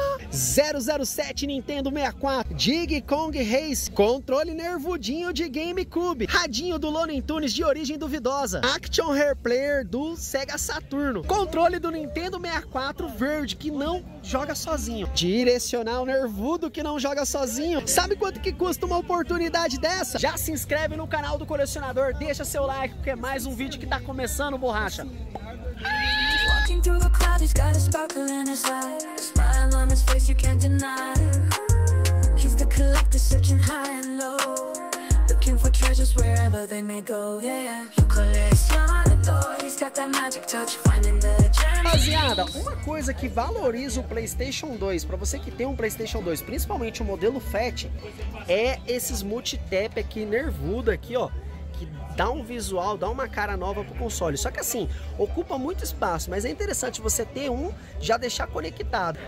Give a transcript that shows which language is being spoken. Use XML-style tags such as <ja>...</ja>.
<pt>007 Nintendo 64, Dig Kong Race, controle nervudinho de GameCube, radinho do Looney Tunes de origem duvidosa, Action Hair Player do Sega Saturno, controle do Nintendo 64 verde que não joga sozinho, direcional nervudo que não joga sozinho. Sabe quanto que custa uma oportunidade dessa? Já se inscreve no canal do colecionador, deixa seu like, porque é mais um vídeo que tá começando, borracha.</pt> <en>Walking through the clouds, he's got a sparkle in his eyes. A smile on his face, you can't deny. He's the collector, searching high and low, looking for treasures wherever they may go. Yeah, coleccionador, he's got that magic touch, finding the gem.</en> <pt>Rapaziada, uma coisa que valoriza o PlayStation 2, pra você que tem um PlayStation 2, principalmente o modelo FAT, é esses multitap aqui, nervudo aqui, ó. Dá um visual, dá uma cara nova pro console. Só que assim, ocupa muito espaço, mas é interessante você ter um, já deixar conectado.</pt>